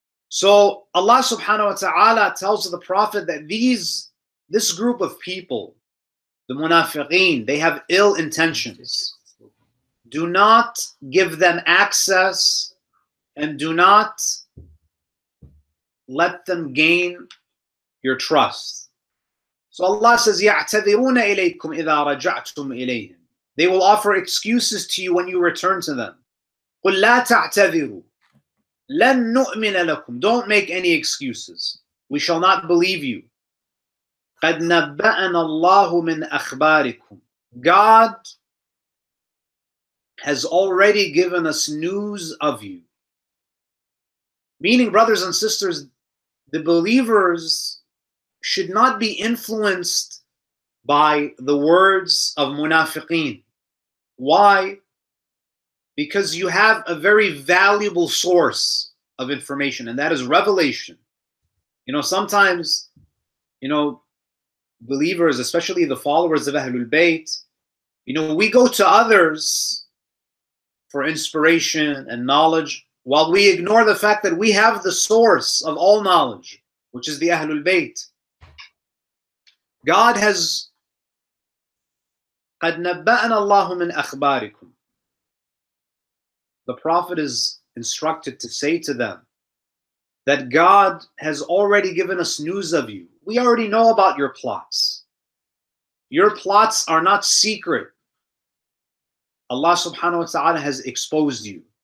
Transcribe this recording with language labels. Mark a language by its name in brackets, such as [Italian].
[English] So Allah subhanahu wa ta'ala tells the Prophet that this group of people, the munafiqeen, they have ill intentions. Do not give them access and do not let them gain your trust. So Allah says, [Arabic] يَعْتَذِرُونَ إِلَيْكُمْ إِذَا رَجَعْتُمْ إِلَيْهِمْ. [English] They will offer excuses to you when you return to them. [Arabic] قُلْ لَا تَعْتَذِرُوا لَن نُؤْمِنَ لَكُمْ. [English] Don't make any excuses. We shall not believe you. [Arabic] قَدْ نَبَّأَنَا اللَّهُ مِنْ أَخْبَارِكُمْ. [English] God has already given us news of you. Meaning, brothers and sisters, the believers should not be influenced by the words of munafiqeen. Why? Because you have a very valuable source of information, and that is revelation. You know, sometimes, you know, believers, especially the followers of Ahlul Bayt, you know, we go to others for inspiration and knowledge, while we ignore the fact that we have the source of all knowledge, which is the Ahlul Bayt. God has [Arabic] قَدْ نَبَّأَنَا اللَّهُ مِنْ أَخْبَارِكُمْ. [English] The Prophet is instructed to say to them that God has already given us news of you. We already know about your plots. Your plots are not secret. Allah subhanahu wa ta'ala has exposed you.